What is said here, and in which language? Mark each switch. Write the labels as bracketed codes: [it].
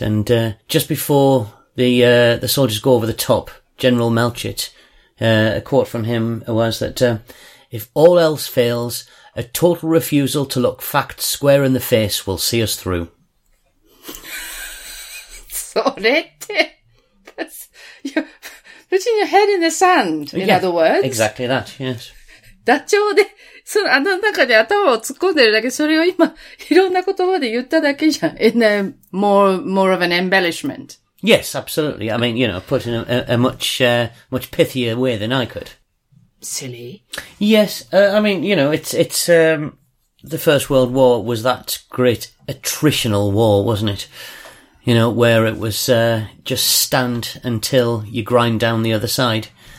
[en] And just before the soldiers go over the top, General Melchett, a quote from him was that, if all else fails, a total refusal to look facts square in the face will see us through. [ja] それって、 [en] that's, you're putting your head in the sand, in other words. Exactly that, yes. [ja] ダチョウで、その穴の中で頭を突っ込んでるだけ、それを今、いろんな言葉で言っただけじゃん。 [en] In a more of an embellishment. Yes, absolutely. I mean, you know, put in a much pithier way than I could. Silly. Yes, I mean, you know, it's the First World War was that great attritional war, wasn't it? You know, where it was just stand until you grind down the other side.